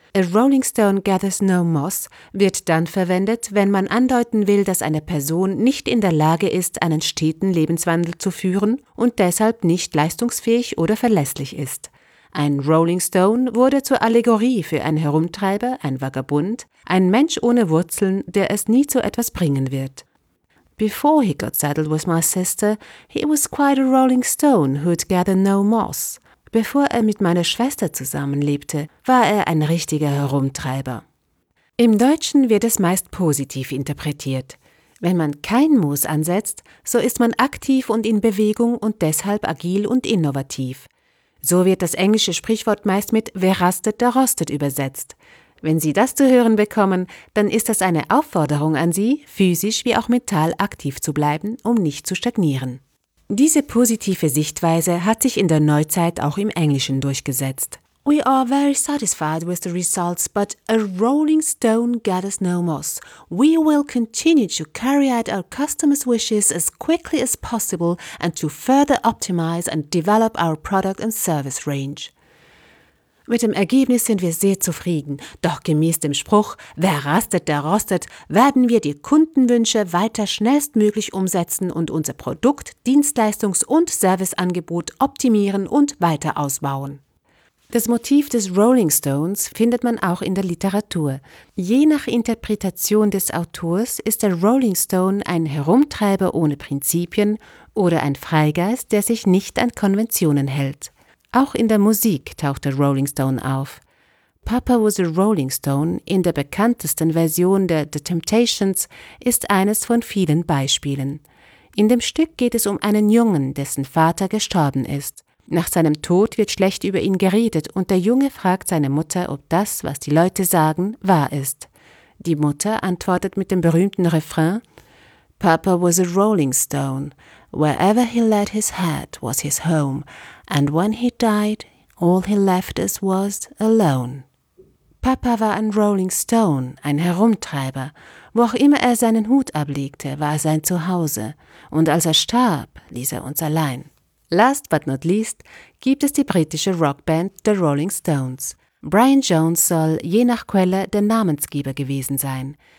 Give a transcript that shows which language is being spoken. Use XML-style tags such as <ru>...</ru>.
<en>A rolling stone gathers no moss</en> <de>wird dann verwendet, wenn man andeuten will, dass eine Person nicht in der Lage ist, einen steten Lebenswandel zu führen und deshalb nicht leistungsfähig oder verlässlich ist. Ein rolling stone wurde zur Allegorie für einen Herumtreiber, ein Vagabund, ein Mensch ohne Wurzeln, der es nie zu etwas bringen wird.</de> <en>Before he got saddled with my sister, he was quite a rolling stone who'd gather no moss.</en> <de>Bevor er mit meiner Schwester zusammenlebte, war er ein richtiger Herumtreiber. Im Deutschen wird es meist positiv interpretiert. Wenn man kein Moos ansetzt, so ist man aktiv und in Bewegung und deshalb agil und innovativ. So wird das englische Sprichwort meist mit »Wer rastet, der rostet« übersetzt. Wenn Sie das zu hören bekommen, dann ist das eine Aufforderung an Sie, physisch wie auch mental aktiv zu bleiben, um nicht zu stagnieren. Diese positive Sichtweise hat sich in der Neuzeit auch im Englischen durchgesetzt.</de> <en>We are very satisfied with the results, but a rolling stone gathers no moss. We will continue to carry out our customers' wishes as quickly as possible and to further optimize and develop our product and service range.</en> <de>Mit dem Ergebnis sind wir sehr zufrieden, doch gemäß dem Spruch, wer rastet, der rostet, werden wir die Kundenwünsche weiter schnellstmöglich umsetzen und unser Produkt-, Dienstleistungs- und Serviceangebot optimieren und weiter ausbauen. Das Motiv des Rolling Stones findet man auch in der Literatur. Je nach Interpretation des Autors ist der Rolling Stone ein Herumtreiber ohne Prinzipien oder ein Freigeist, der sich nicht an Konventionen hält. Auch in der Musik taucht der Rolling Stone auf. Papa Was a Rolling Stone in der bekanntesten Version der The Temptations ist eines von vielen Beispielen. In dem Stück geht es um einen Jungen, dessen Vater gestorben ist. Nach seinem Tod wird schlecht über ihn geredet und der Junge fragt seine Mutter, ob das, was die Leute sagen, wahr ist. Die Mutter antwortet mit dem berühmten Refrain:</de> <en>Papa was a rolling stone. Wherever he laid his head was his home. And when he died, all he left us was alone.</en> <de>Papa war ein Rolling Stone, ein Herumtreiber. Wo auch immer er seinen Hut ablegte, war sein Zuhause. Und als er starb, ließ er uns allein.</de> <en>Last but not least</en> <de>gibt es die britische Rockband The Rolling Stones. Brian Jones soll, je nach Quelle, der Namensgeber gewesen sein.</de>